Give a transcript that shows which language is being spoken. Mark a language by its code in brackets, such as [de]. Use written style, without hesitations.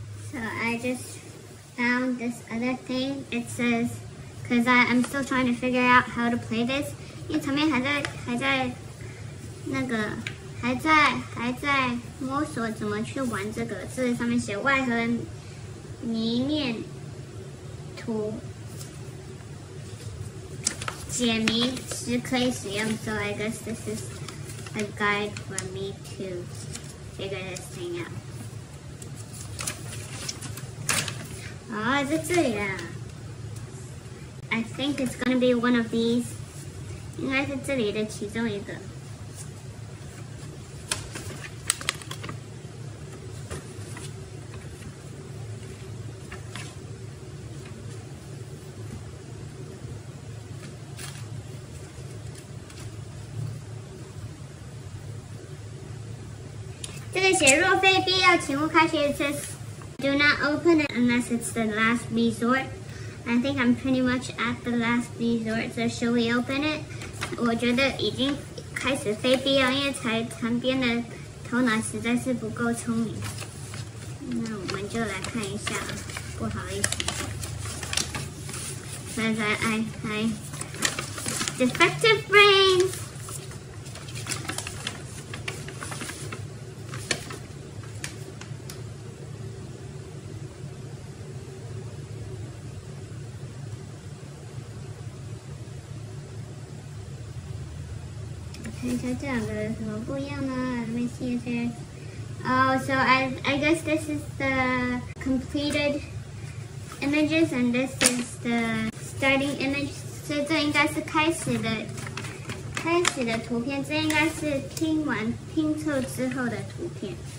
[en] So I just found this other thing. It says, because I'm still trying to figure out how to play this. [zh] 因为旁边还在摸索怎么去玩这个。这里上面写外盒泥面图解谜时可以使用。 [en] So I guess this is a guide for me to. Figure this thing out. Oh, is it here? I think it's gonna be one of these. [zh] 应该是这里的其中一个。若非必要请勿开启 [en] It says do not open it unless it's the last resort. I think I'm pretty much at the last resort. So should we open it? [zh] 我觉得已经开始非必要，因为才旁边的头脑实在是不够聪明。那我们就来看一下，不好意思 [en] Because I defective brains. [zh] 看一下这两个有什么不一样呢 [en] Let me see if there's Oh, so I guess this is the completed images, and this is the starting image. [zh] 所以这应该是开始的图片，这应该是拼凑之后的图片。